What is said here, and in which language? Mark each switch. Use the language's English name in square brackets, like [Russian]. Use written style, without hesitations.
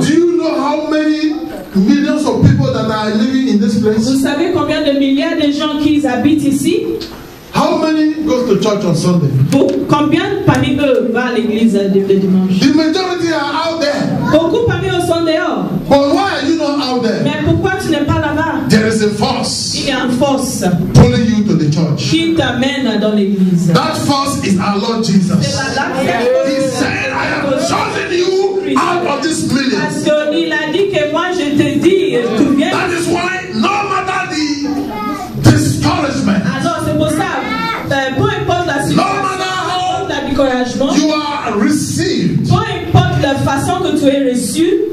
[English] Do you know how many millions of people that are living in this place? [French] Vous savez combien de milliards de gens qui habitent ici? [English] How many go to church on Sunday? [French] Combien parmi eux va à l'église le dimanche? [English] The majority are out there. [French] Beaucoup parmi eux sont dehors. [English] But why are you not out there? [French] Mais pourquoi tu n'es pas là-bas? [English] There is a force. [French] Il y a une force [English] pulling you to the church. [French] Qui t'amène dans l'église. [English] That force is our Lord Jesus. Yeah. He said, I have chosen you out of this million. [French] Parce qu'il a dit que moi je te dis, tu viens. [English] That is why no matter the you are received. [French] Peu importe la façon que tu es reçu.